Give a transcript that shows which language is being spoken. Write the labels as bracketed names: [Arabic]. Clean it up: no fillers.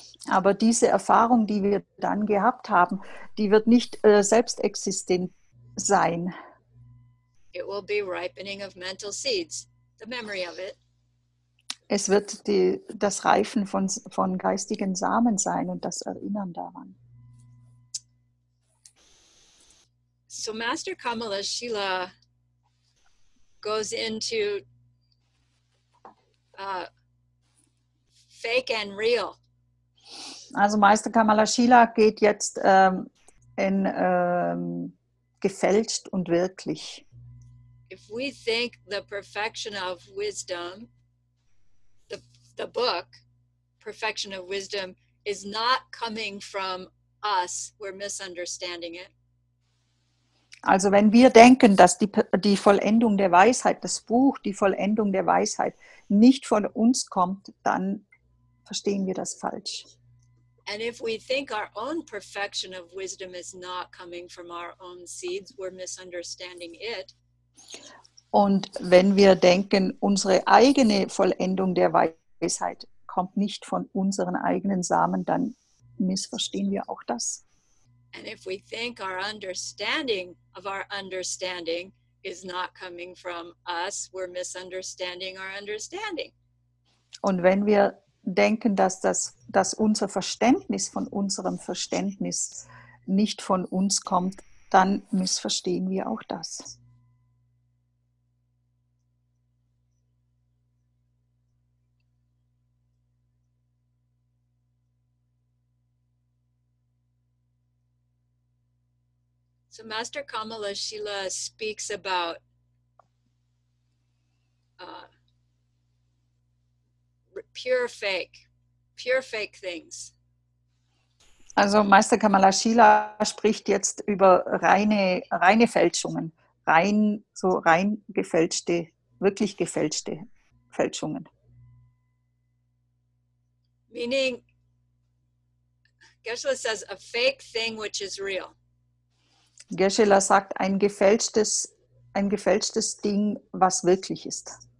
[German] Aber diese Erfahrung, die wir dann gehabt haben, die wird nicht selbstexistent sein. [English] It will be ripening of mental seeds, the memory of it. [German] Es wird das Reifen von geistigen Samen sein und das Erinnern daran. [English] So Master Kamala Shila goes into fake and real. [German] Also Meister Kamala Shila geht jetzt gefälscht und wirklich. [English] If we think the perfection of wisdom, the book, Perfection of Wisdom, is not coming from us, we're misunderstanding it. [German] Also wenn wir denken, dass die Vollendung der Weisheit, das Buch, die Vollendung der Weisheit, nicht von uns kommt, dann verstehen wir das falsch. [English] And if we think our own perfection of wisdom is not coming from our own seeds, we're misunderstanding it. [German] Und wenn wir denken, unsere eigene Vollendung der Weisheit kommt nicht von unseren eigenen Samen, dann missverstehen wir auch das. [English] And if we think our understanding of our understanding is not coming from us, we're misunderstanding our understanding. [German] Und wenn wir denken, dass unser Verständnis von unserem Verständnis nicht von uns kommt, dann missverstehen wir auch das. [English] So Master Kamala Shila speaks about pure fake things. [German] Also Meister Kamala Shila spricht jetzt über reine Fälschungen, rein gefälschte, wirklich gefälschte Fälschungen. [English] Meaning, Geshe-la says, a fake thing which is real. [German] Geshe-la sagt, ein gefälschtes Ding, was wirklich ist.